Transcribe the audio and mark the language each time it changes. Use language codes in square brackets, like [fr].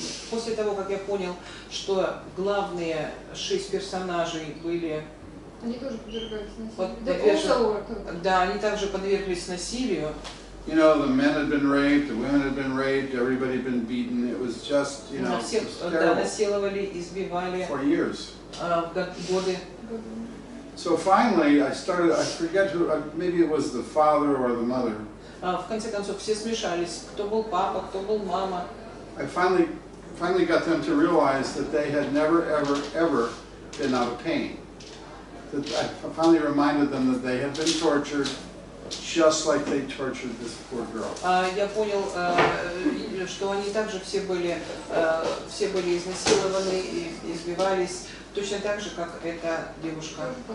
[ru] После того, как я понял, что главные шесть персонажей были, они тоже подвергались насилию. Они также подверглись насилию. [en] You know, the men had been raped, the women had been raped, everybody had been beaten. It was just, you know, [ru] насиловали, избивали. [en] For years. [ru] Годы. [en] So finally, I forget who. Maybe it was the father or the mother. [ru] В конце концов, все смешались. Кто был папа, кто был мама. [en] I finally got them to realize that they had never, ever, ever been out of pain. I finally reminded them that they had been tortured, just like they tortured this poor girl. [ru] Я понял, что они также все были изнасилованы и избивались точно так же, как эта девушка.